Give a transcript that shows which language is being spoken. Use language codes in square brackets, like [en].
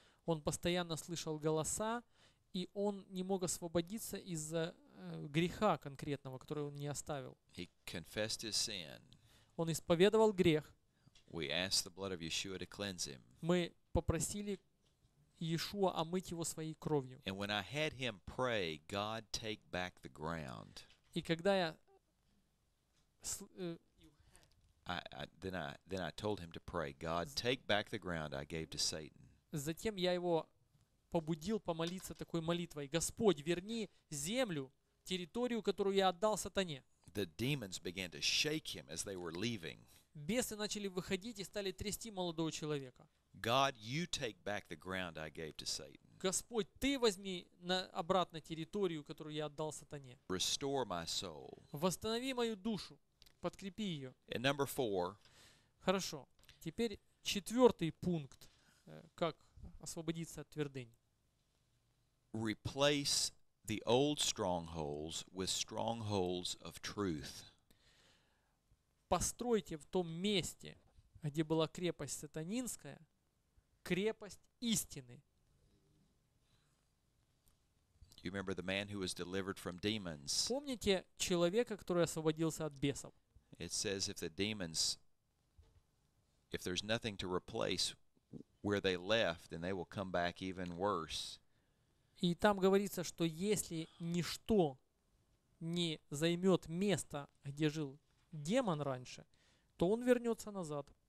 [ru] Он постоянно слышал голоса, и он не мог освободиться из-за греха конкретного, который он не оставил. [en] He confessed his sin. [ru] Он исповедовал грех. [en] We asked the blood of Yeshua to cleanse him. [ru] Мы попросили Иешуа омыть его своей кровью. [en] And when I had him pray, God take back the ground. [ru] И когда я [en] I told him to pray, God take back the ground I gave to Satan. [ru] Затем я его побудил помолиться такой молитвой: Господь, верни землю, территорию, которую я отдал сатане. [en] The demons began to shake him as they were leaving. [ru] Бесы начали выходить и стали трясти молодого человека. [en] God, you take back the ground I gave to Satan. [ru] Господь, ты возьми обратно территорию, которую я отдал сатане. [en] Restore my soul. [ru] Восстанови мою душу. Подкрепи ее. [en] And number four. [ru] Хорошо. Теперь четвертый пункт, как освободиться от твердынь. [en] Replace the old strongholds with strongholds of truth. [ru] Постройте в том месте, где была крепость сатанинская, крепость истины. [en] Do you remember the man who was delivered from demons? [ru] Помните человека, который освободился от бесов? [en] It says if the demons, if there's nothing to replace where they left, then they will come back even worse. [ru] И там говорится, что если ничто не займет место, где жил демон раньше, то он вернется назад.